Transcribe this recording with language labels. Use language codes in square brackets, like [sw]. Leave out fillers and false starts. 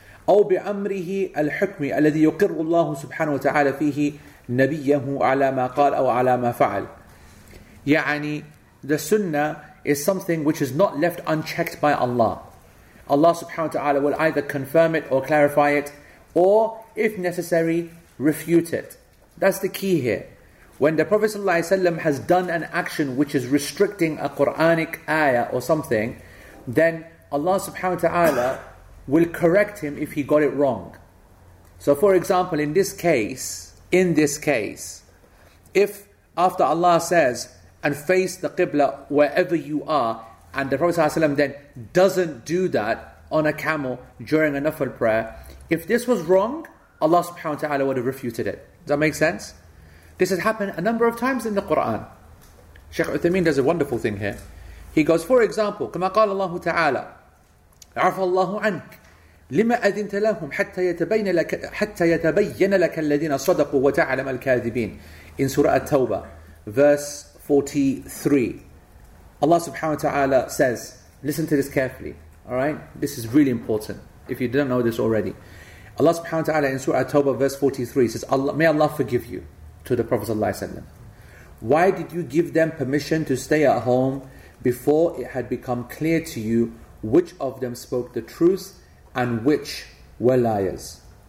[ar] أو بأمره الحكم الذي يقر الله سبحانه وتعالى فيه نبيه على ما قال أو على ما فعل. يعني [en] the sunnah is something which is not left unchecked by Allah. Allah subhanahu wa ta'ala will either confirm it or clarify it, or if necessary, refute it. That's the key here. When the Prophet sallallahu alaihi wasallam has done an action which is restricting a Quranic ayah or something, then Allah subhanahu wa ta'ala will correct him if he got it wrong. So for example, in this case, if after Allah says, and face the Qibla wherever you are, and the Prophet sallallahu alaihi wasallam then doesn't do that on a camel during a nafl prayer, if this was wrong, Allah subhanahu wa ta'ala would have refuted it. Does that make sense? This has happened a number of times in the Qur'an. Sheikh Uthameen does a wonderful thing here. He goes, for example, [ar] كما قال الله تعالى, عفى الله عنك, لما أذنت لهم حتى يتبين لك الذين صدقوا وتعلم الكاذبين. [en] In Surah At-Tawbah, verse 43. Allah subhanahu wa ta'ala says, listen to this carefully, alright? This is really important, if you don't know this already. Allah subhanahu wa ta'ala in Surah At-Tawbah, verse 43, says, may Allah forgive you. To the Prophet ﷺ, why did you give them permission to stay at home before it had become clear to you which of them spoke the truth and which were liars?